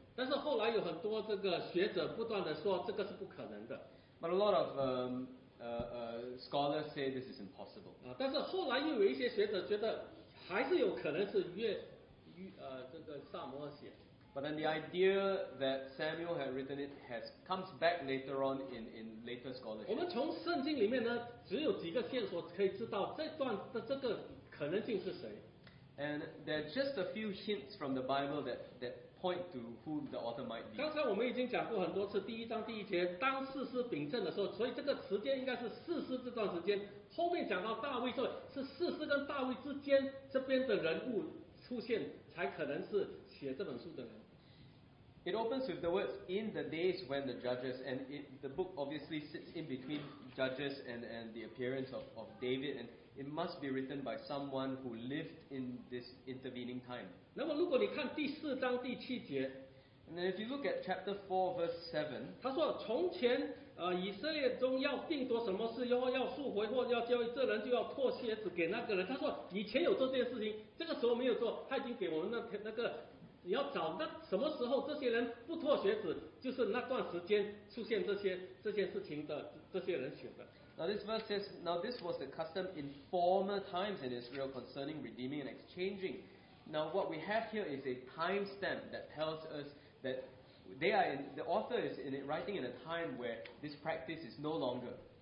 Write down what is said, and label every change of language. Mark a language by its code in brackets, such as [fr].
[zh] 但是后来有很多这个学者不断的说这个是不可能的。 [en] But a lot of scholars say this is impossible. [zh] 但是后来又有一些学者觉得还是有可能是这个撒母耳写。 [en] But then the idea that Samuel had written it comes back later on in later scholarship. [zh] 我们从圣经里面呢，只有几个线索可以知道这段的这个可能性是谁。 [en] And there are just a few hints from the Bible that point to who the author might be. [zh] 刚才我们已经讲过很多次，第一章第一节，当士师秉政的时候，所以这个时间应该是士师这段时间。后面讲到大卫说，是士师跟大卫之间这边的人物出现，才可能是写这本书的人。 [en] It opens with the words "in the days when the judges," and the book obviously sits in between judges and the appearance of David, and it must be written by someone who lived in this intervening time. [zh] 那么如果你看第四章第七节， [en] And then if you look at chapter 4, verse 7, [zh] 他说, 从前, 以色列中要定夺什么事, 要赎回或要交易这人就要脱鞋子给那个人, 他说, 以前有做这件事情, 这个时候没有做, 他已经给我们那个, 你要找那, 什么时候这些人不脱鞋子, 就是那段时间出现这些, 这些事情的, 这些人选的。 [en] Now this verse says, now this was the custom in former times in Israel concerning redeeming and exchanging. Now what we have here is a timestamp that tells us that they are in, the author is in it writing in a time where this practice is no longer.